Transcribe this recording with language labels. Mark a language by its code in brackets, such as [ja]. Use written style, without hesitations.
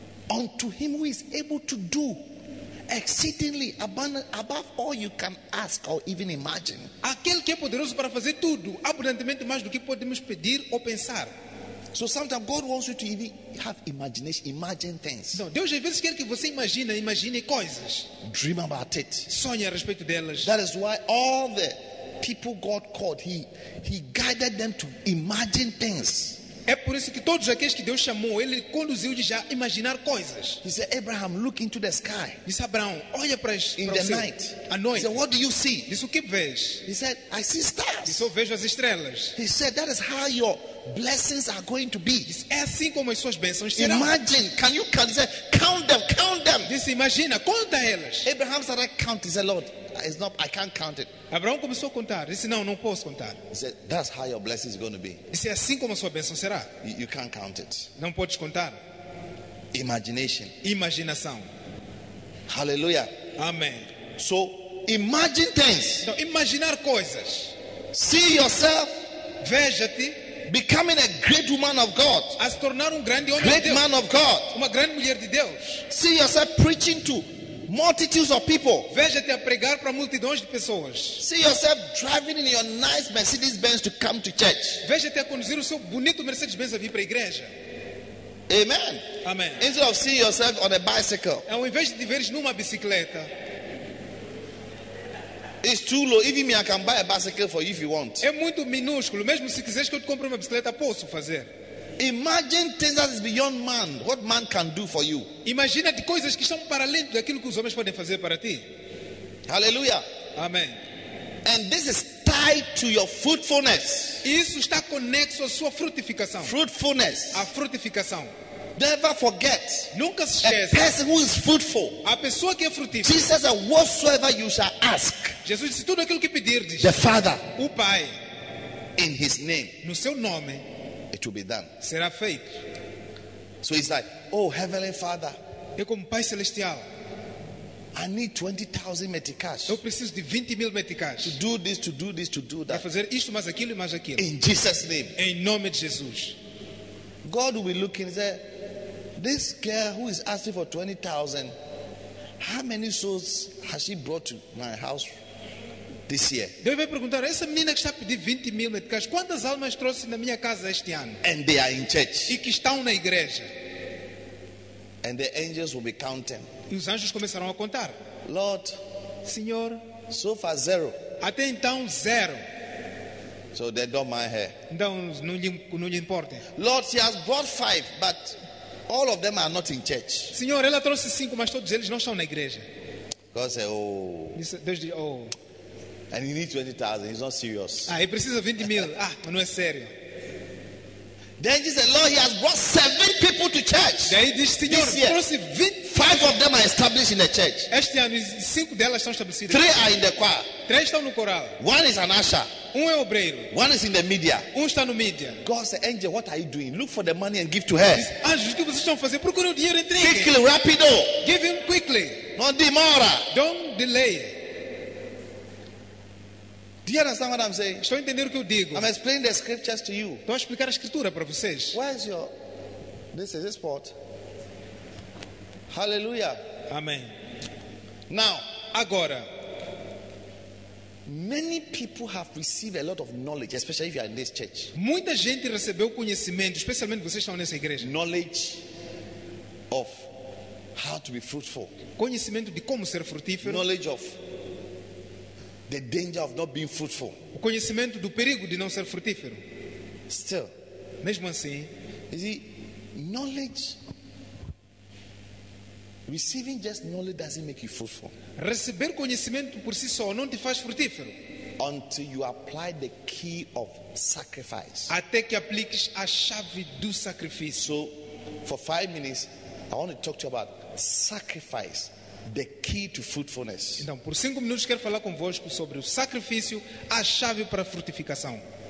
[en] Unto him who is able to do exceedingly abundant above all you can ask or even imagine. [pt] Aquele que é poderoso para fazer tudo abundantemente mais do que podemos pedir ou pensar. [en] So sometimes God wants you to even have imagination, imagine things. [pt] Não, Deus às vezes quer que você imagine coisas. [en] Dream about it. [pt] Sonhe a respeito delas. [en] That is why all the people God called, he guided them to imagine things. [pt] É por isso que todos aqueles que Deus chamou, ele conduziu de já imaginar coisas. [en] He said, Abraham, look into the sky. [pt] Disse Abraão, olha para as [en] in the night. [pt] À noite. [en] He said, what do you see? [pt] Disse o que vês? [en] He said, I see stars. [pt] Disse eu vejo as estrelas. [en] He said, that is how your blessings are going to be. [pt] Disse, é assim como as suas bênçãos serão. [en] Imagine, can you count? [pt] Disse, [en] count them. [pt] Disse, imagina, conta elas. [en] Abraham said, I count. [pt] Disse, [en] Lord, it's not, I can't count it. [pt] Abraão começou a contar. Disse, não posso contar. [en] He said, that's how your blessing is going to be. [pt] Disse, é assim como a sua bênção será. [en] You can't count it. [pt] Não podes contar. [en] Imagination. [pt] Imaginação. [en] Hallelujah. [pt] Amém. [en] So, imagine things. [pt] Então, imaginar coisas. [en] See yourself. [pt] Veja-te. [en] Becoming a great woman of God. [pt] A se tornar grande homem [en] great [pt] de Deus. [en] Man of God. [pt] Uma grande mulher de Deus. [en] See yourself preaching to multitudes of people. [pt] Veja-te a pregar para multidões de pessoas. [en] See yourself driving in your nice Mercedes-Benz to come to church. [pt] Veja-te a conduzir o seu bonito Mercedes-Benz a vir para a igreja. [en] Amen. Amen. Instead of seeing yourself on a bicycle. [pt] É ao invés de veres numa bicicleta. [en] It's too low. Even me, I can buy a bicycle for you if you want. [pt] É muito minúsculo. Mesmo se quiseres que eu te compre uma bicicleta, posso fazer. [en] Imagine things that is beyond man. What man can do for you? [pt] Imagina de coisas que estão para além daquilo que os homens podem fazer para ti. [en] Hallelujah. Amen. And this is tied to your fruitfulness. [pt] Isso está conexo à sua frutificação. [en] Fruitfulness. [pt] A frutificação. [en] Never forget. [pt] Nunca se esqueça. [en] A person who is fruitful. [pt] A pessoa que é frutífera. [en] Jesus said, "Whatsoever you shall ask." [pt] Jesus disse tudo aquilo que pedirdes. [en] The Father. [pt] O Pai. [en] In His name. [pt] No seu nome. [en] To be done. [pt] Será feito. [en] So he's like, oh, Heavenly Father, [pt] é como Pai Celestial. [en] I need 20,000 meticais. [pt] Eu preciso de 20 mil meticais. [en] To do this, to do this, to do that. [pt] Para fazer isto, mais aquilo e mais aquilo. [en] In Jesus' name. [pt] Em nome de Jesus. [en] God will be looking and say, this girl who is asking for 20,000, how many souls has she brought to my house this year? [pt] Deus vai perguntar, essa menina que está pedindo 20 mil meticais, quantas almas trouxe na minha casa este ano? [en] And they are in church. [pt] E que estão na igreja. [en] And the angels will be counting. [pt] E os anjos começaram a contar. [en] Lord, [pt] Senhor, [en] so far zero. [pt] Até então zero. [en] So they don't mind her. [pt] Então não lhe importa. [en] Lord, she has brought five, but all of them are not in church. [pt] Senhor, ela trouxe cinco, mas todos eles não estão na igreja. [en] God said, oh. [pt] Deus diz, oh. [en] And you need 20,000. He's not serious. [pt] Ah, ele precisa 20 mil. Ah, não é sério. [en] Then he said, Lord, he has brought seven people to church. [pt] Daí diz, Senhor, trouxe 20. [en] Five of them are established in the church. [pt] Este ano, cinco delas estão estabelecidas. [en] Three are in the choir. [pt] Três estão no coral. [en] One is an usher. [pt] Um é obreiro. [en] One is in the media. [pt] Um está no media. [en] God said, angel, what are you doing? Look for the money and give to her. [pt] Anjo, o que vocês estão fazendo? Procure o dinheiro e entregue. [en] Quickly, [pt] rapido. [en] Give him quickly. [pt] Non demora. [en] Don't delay. Do you understand what I'm saying? [pt] Estou entendendo o que eu digo. [en] I'm explaining the scriptures to you. [pt] Estou a explicar a escritura para vocês. [en] Where is your? This is this spot. Hallelujah. [pt] Amém. [en] Now, [pt] agora. [en] Many people have received a lot of knowledge, especially if you are in this church. [pt] Muita gente recebeu conhecimento, especialmente vocês estão nessa igreja. [en] Knowledge of how to be fruitful. [pt] Conhecimento de como ser frutífero. [en] Knowledge of the danger of not being fruitful. [pt] O conhecimento do perigo de não ser frutífero. [en] Still, [pt] mesmo assim, [en] is it knowledge? Receiving just knowledge doesn't make you fruitful. [pt] Receber conhecimento por si só não te faz frutífero. [en] Until you apply the key of sacrifice. [pt] Até que apliques a chave do sacrifício. [en] So, for 5 minutes, I want to talk to you about sacrifice, the key to fruitfulness. [pt] Então, por 5 minutos quero falar convosco sobre o sacrifício, a chave para a frutificação.